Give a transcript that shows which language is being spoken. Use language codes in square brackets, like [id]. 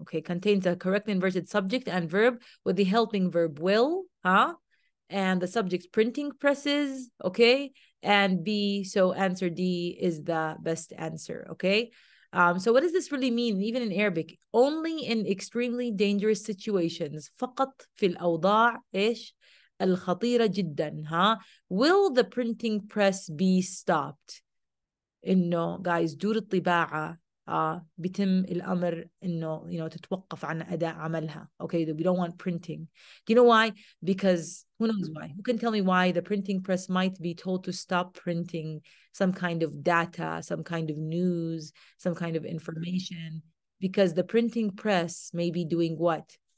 [en] Okay, contains a correctly inverted subject and verb with the helping verb will, huh? And the subject printing presses, okay? And B, so answer D is the best answer, okay? So what does this really mean, even in Arabic? Only in extremely dangerous situations. [ar] فقط في الأوضاع إيش الخطيرة جدا, huh? [en] Will the printing press be stopped? [ar] إنه guys دور الطباعة بتم الأمر إنه تتوقف عن أداء عملها. [en] Okay, we don't want printing. Do you know why? Because who knows why? Who can tell me why the printing press might be told to stop printing some kind of data, some kind of news, some kind of information? Because the printing press may be doing what?